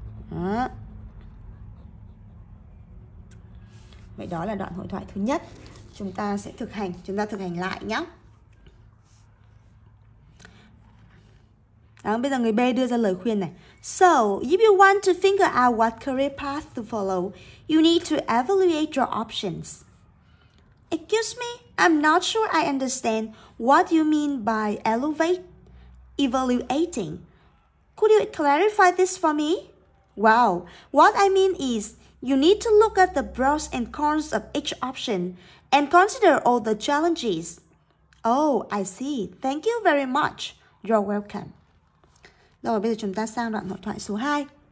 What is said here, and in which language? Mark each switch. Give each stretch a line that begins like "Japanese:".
Vietnamese: Đó. Vậy đó là đoạn hội thoại thứ nhất. Chúng ta sẽ thực hành. Chúng ta thực hành lại nhé. Đó, bây giờ người B đưa ra lời khuyên này.
English: So, if you want to figure out what career path to follow, you need to evaluate your options. Excuse me, I'm not sure I understand what you mean by evaluating. Could you clarify this for me? Wow, what I mean is you need to look at the pros and cons of each option and consider all the challenges. Oh, I see. Thank you very much. You're welcome.
Vietnamese: Rồi bây giờ chúng ta sang đoạn hội thoại số 2.